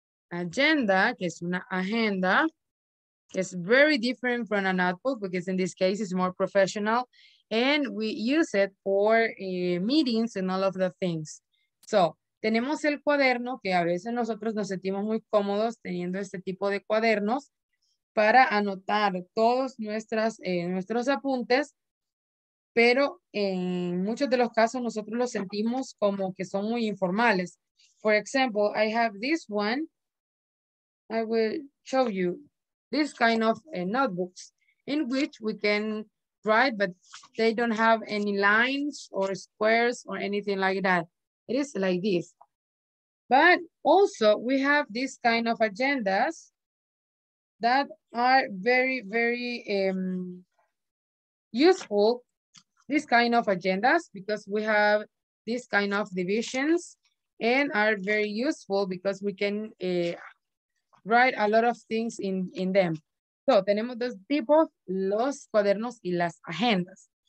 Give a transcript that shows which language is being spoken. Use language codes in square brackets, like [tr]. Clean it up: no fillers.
[en] Agenda, [es] que es una agenda, que es [en] very different from a notebook, because in this case it's more professional, and we use it for meetings and all of the things. [es] So, tenemos el cuaderno, que a veces nosotros nos sentimos muy cómodos teniendo este tipo de cuadernos, para anotar todos nuestras, nuestros apuntes, pero en muchos de los casos nosotros los sentimos como que son muy informales. [en] For example, I have this one. I will show you this kind of notebooks in which we can write, but they don't have any lines or squares or anything like that. It is like this. But also we have this kind of agendas that are very, very useful, this kind of agendas, because we have this kind of divisions and are very useful because we can write a lot of things in them. [es] So, tenemos dos tipos, los cuadernos y las agendas.